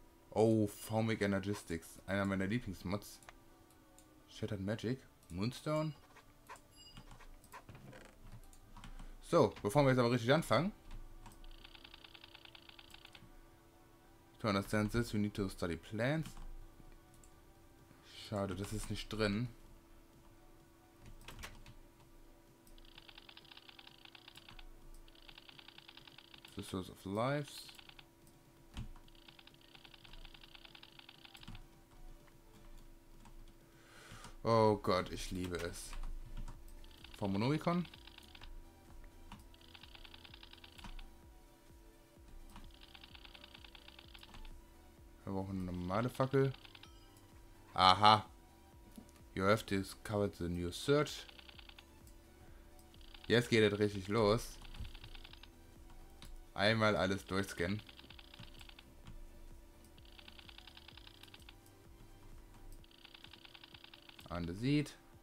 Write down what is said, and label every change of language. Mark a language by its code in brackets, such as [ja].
[de] Oh, Formic Energistics, einer meiner Lieblingsmods. Shattered Magic, Moonstone. So, bevor wir jetzt aber richtig anfangen. [en] To understand this, we need to study plants. [de] Schade, das ist nicht drin. [en] The source of lives. [de] Oh Gott, ich liebe es. Vom Monomikon. Wir brauchen eine normale Fackel. Aha. [en] You have discovered the new search. [de] Jetzt geht es richtig los. Einmal alles durchscannen. An der Seed.